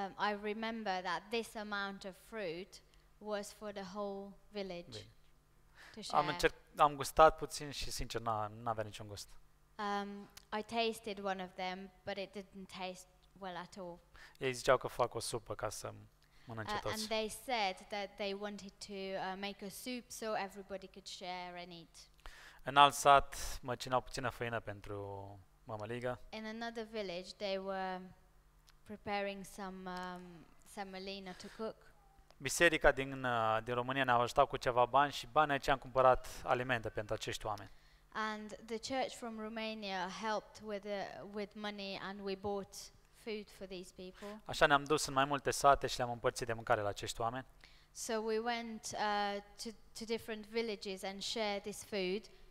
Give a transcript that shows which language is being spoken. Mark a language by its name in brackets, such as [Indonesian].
[English] I remember that this amount of fruit was for the whole village. [Romanian] Bine. [English] To share. [Romanian] Am gustat puțin și sincer n-avea niciun gust. [English] I tasted one of them, but it didn't taste well at all. [Romanian] Ei ziceau că fac o supă ca să mănânce toți. [English] And they said that they wanted to make a soup so everybody could share and eat. [Romanian] În alt sat măcinau puțină făină pentru mămăligă. [English] In another village they were preparing some semolina to cook. [Romanian] Biserica din România ne-a ajutat cu ceva bani și banii aceia am cumpărat alimente pentru acești oameni. [English] And the church from Romania helped with money and we bought food for these people. [Romanian] Așa ne-am dus în mai multe sate și le-am împărțit de mâncare la acești oameni. [English] So we went to different villages and shared this food.